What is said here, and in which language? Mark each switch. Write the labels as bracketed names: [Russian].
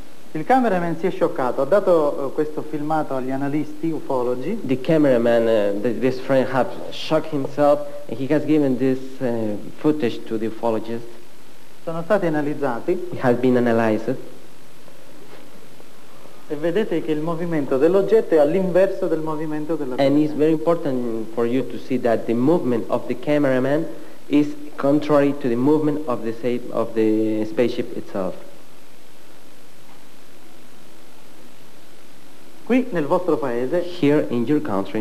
[Italian] Il cameraman si è scioccato, ha dato questo filmato agli analisti ufologi. [English] The cameraman, this friend has shocked himself and he has given this footage to the ufologist. [Italian] Sono stati analizzati. [English] It has been analyzed. [Italian] E vedete che il movimento dell'oggetto è all'inverso del movimento della [English] camera. And it's very important for you to see that the movement of the cameraman is contrary to the movement of the spaceship itself. [Italian] Qui nel vostro paese. [English] Here in your country.